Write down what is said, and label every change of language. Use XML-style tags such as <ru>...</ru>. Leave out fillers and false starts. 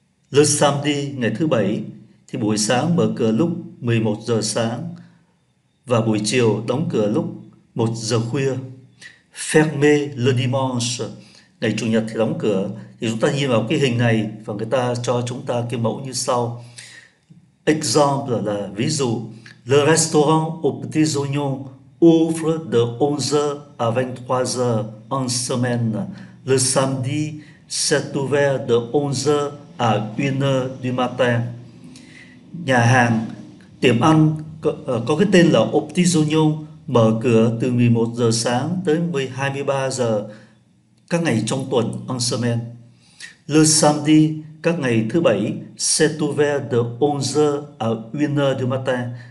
<vi>Le samedi ngày thứ bảy thì buổi sáng mở cửa lúc 11 giờ sáng và buổi chiều đóng cửa lúc 1 giờ khuya. Fermé le dimanche, ngày chủ nhật thì đóng cửa. Thì chúng ta nhìn vào cái hình này và người ta cho chúng ta cái mẫu như sau. Example là ví dụ.</vi> <fr>Le restaurant au Petit Oignon ouvre de 11h à 23h en semaine. Le samedi, c'est ouvert de 11h à 1h du matin.</fr> <vi>Nhà hàng, tiệm ăn có cái tên là Au Petit Oignon mở cửa từ 11 giờ sáng tới 23 giờ các ngày trong tuần en semaine.</vi> <fr>Le samedi,</fr> <vi>các ngày thứ bảy,</vi> <fr>c'est ouvert de 11h à 1h du matin.</fr>